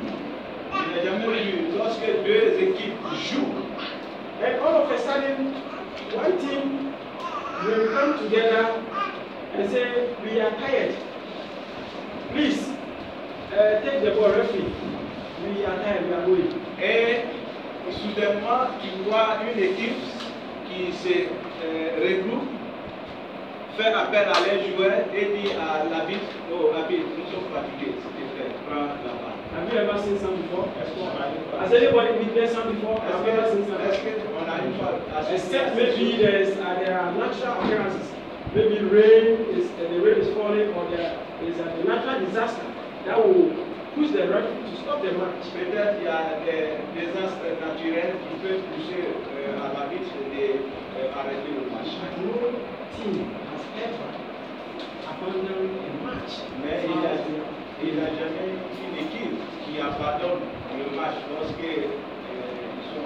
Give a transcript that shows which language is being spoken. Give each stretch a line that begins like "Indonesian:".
French: Je n'ai jamais vu lorsque deux équipes jouent.
English: And all of a sudden, one team will come together and say, "We are tired. Please take the ball, referee. We are tired. We are going."
French: Soudainement, tu vois une équipe qui se regroupe, fait appel à leurs joueurs et dit à l'arbitre, oh l'arbitre, nous sommes fatigués, s'il te plaît, prends la balle.
English: Have you ever seen some before? Has anybody witnessed some before? Have you ever seen some before? Except maybe there are natural occurrences. Maybe the rain is falling or there is a natural disaster that will push the ref to stop the match.
French: Peut-être il y a des désastres naturels qui peuvent pousser à l'arbitre d'arrêter le match.
English: But no team has ever abandoned a match.
French: Mais il n'y a jamais une équipe qui abandonne le match lorsque ils sont